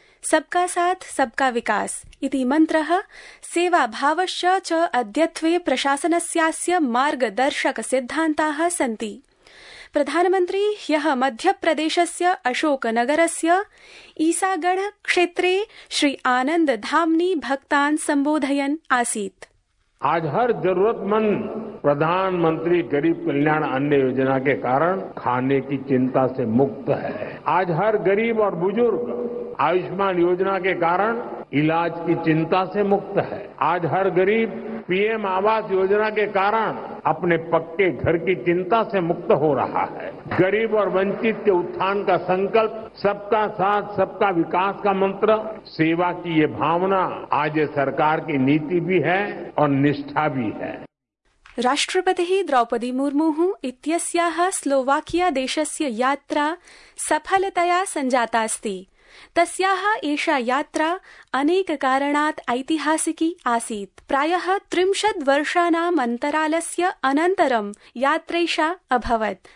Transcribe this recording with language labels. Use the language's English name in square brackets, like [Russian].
[Sanskrit] सबका साथ सबका विकास इति मन्त्रः सेवाभावश्च च अद्यत्वे प्रशासनस्यास्य मार्गदर्शक सिद्धान्ताः सन्ति। प्रधानमन्त्री ह्यः मध्यप्रदेशस्य अशोकनगरस्य ईसागढ़ क्षेत्रे श्री आनन्द धामनी भक्तान् सम्बोधयन् आसीत्। [Hindi] आज हर जरूरतमंद प्रधानमंत्री गरीब कल्याण अन्न योजना के कारण खाने की चिंता से मुक्त है। आज हर गरीब और बुजुर्ग आयुष्मान योजना के कारण इलाज की चिंता से मुक्त है। आज हर गरीब पीएम आवास योजना के कारण अपने पक्के घर की चिंता से मुक्त हो रहा है। गरीब और वंचित के उत्थान का संकल्प, सबका साथ सबका विकास का मंत्र, सेवा की ये भावना आज सरकार की नीति भी है और निष्ठा भी है। [Sanskrit] राष्ट्रपतिः द्रौपदी मुर्मुः इत्यस्याः स्लोवाकिया देशस्य यात्रा सफलतया सञ्जातास्ति। तस्याः एषा यात्रा अनेक कारणात् ऐतिहासिकी आसीत्। प्रायः 30 वर्षाणाम् अन्तरालस्य अनन्तरं यात्रैषा अभवत्।